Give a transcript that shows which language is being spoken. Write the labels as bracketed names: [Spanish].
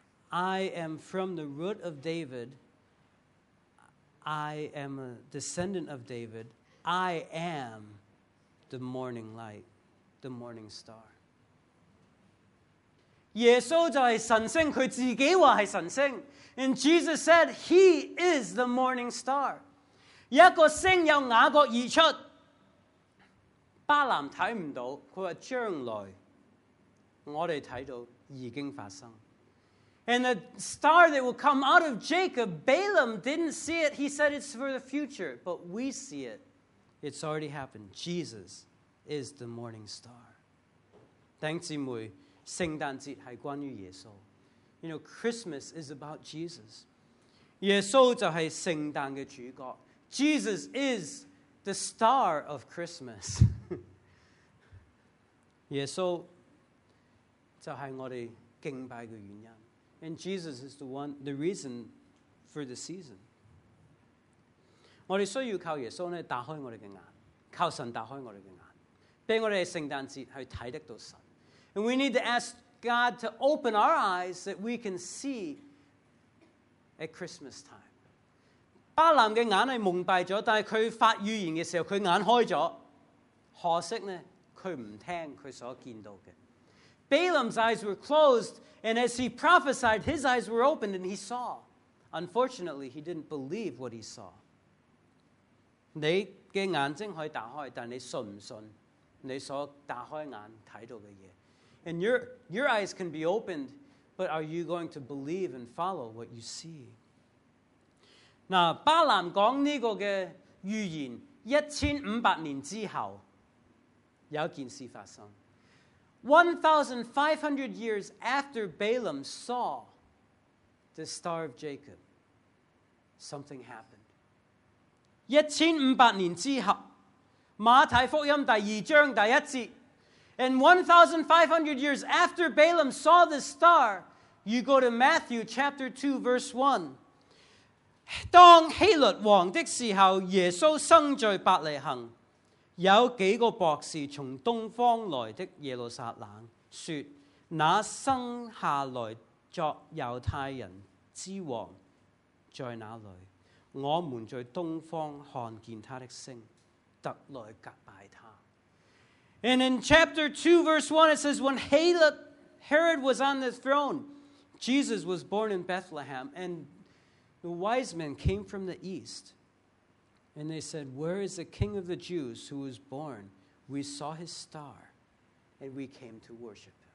[English] I am from the root of David. I am a descendant of David. I am the morning light, the morning star. [Chinese] 耶稣就是神星，他自己说是神星。 [English] And Jesus said, He is the morning star. [Chinese] 一个星由雅各而出，巴兰看不到，他说将来我们看到已经发生。 [English] And the star that will come out of Jacob, Balaam didn't see it. He said it's for the future, but we see it. It's already happened. Jesus is the morning star. [Chinese] 弟兄姊妹，圣诞节是关于耶稣。 [English] You know, Christmas is about Jesus. [Chinese] 耶稣就是圣诞的主角。 [English] Jesus is the star of Christmas. [Chinese] 耶稣就是我们敬拜的原因。 [English] And Jesus is the reason for the season. [Chinese] 我们需要靠耶稣打开我们的眼，靠神打开我们的眼，让我们在圣诞节去看得到神。 [English] And we need to ask God to open our eyes that we can see at Christmas time. [Chinese] 巴兰的眼是蒙蔽了，但是他发预言的时候，他眼开了。可惜呢，他不听他所见到的。 [English] Balaam's eyes were closed, and as he prophesied, his eyes were opened, and he saw. Unfortunately, he didn't believe what he saw. [Chinese] 你的眼睛可以打开，但你信不信你所打开眼看到的事？ [English] And your eyes can be opened, but are you going to believe and follow what you see? [Chinese] 那巴兰讲这个的预言，1500年之后，有一件事发生。 [English] 1,500 years after Balaam saw the star of Jacob, something happened. [Chinese] 1,500 年之后，马太福音第二章第一节， [English] And 1,500 years after Balaam saw this star, you go to Matthew chapter 2, verse 1. [Chinese] 当希律王的时候，耶稣生在伯利恒。有几个博士从东方来的耶路撒冷说，那生下来作犹太人之王在哪里？我们在东方看见他的星，特来隔拜他。 [English] And in chapter 2 verse 1 it says, when Herod was on the throne, Jesus was born in Bethlehem, and the wise men came from the east. And they said, where is the king of the Jews who was born? We saw his star, and we came to worship him.